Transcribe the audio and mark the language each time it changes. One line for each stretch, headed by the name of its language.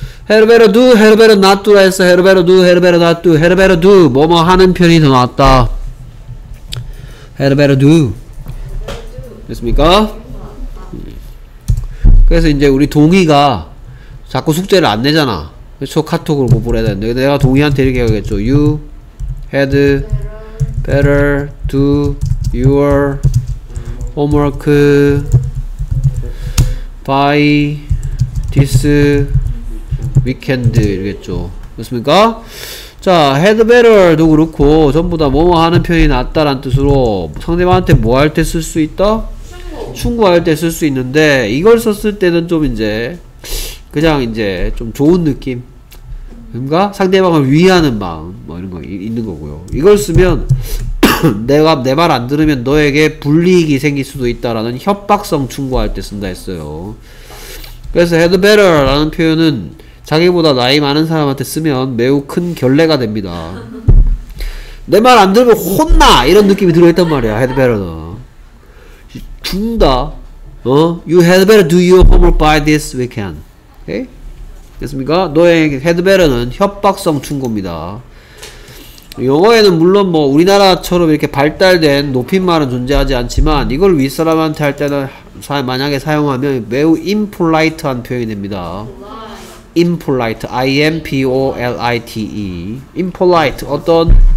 English: Had better do, had better not do.
Korean: 했어.
English: Had better do, had better not do. Had better do.
Korean: 뭐뭐 하는 편이 더 낫다.
English: Had better do.
Korean: 됐습니까? 그래서 이제 우리 동희가 자꾸 숙제를 안 내잖아. 그렇죠. 카톡으로 뭐 보내야 되는데. 내가 동희한테 이렇게 하겠죠.
English: You had better do your homework by this weekend.
Korean: 이랬죠. 그렇습니까? 자, had better도 그렇고 전부 다 뭐뭐 하는 편이 낫다란 뜻으로 상대방한테 뭐 할 때 쓸 수 있다? 충고할 때 쓸 수 있는데 이걸 썼을 때는 좀 이제 그냥 이제 좀 좋은 느낌 뭔가 상대방을 위하는 마음 뭐 이런 거 있는 거고요. 이걸 쓰면 내가 내 말 안 들으면 너에게 불이익이 생길 수도 있다라는 협박성 충고할 때 쓴다 했어요. 그래서 had better라는 표현은 자기보다 나이 많은 사람한테 쓰면 매우 큰 결례가 됩니다. 내 말 안 들으면 혼나 이런 느낌이 들어있단 말이야. had better는 준다. 어?
English: You had better do your homework by this weekend.
Korean: 오케이? 됐습니까? 너의 헤드베러는 협박성 충고입니다. 영어에는 물론 뭐 우리나라처럼 이렇게 발달된 높임말은 존재하지 않지만 이걸 윗사람한테 할 때는 만약에 사용하면 매우 impolite한 표현이 됩니다.
English: impolite, impolite, impolite, 어떤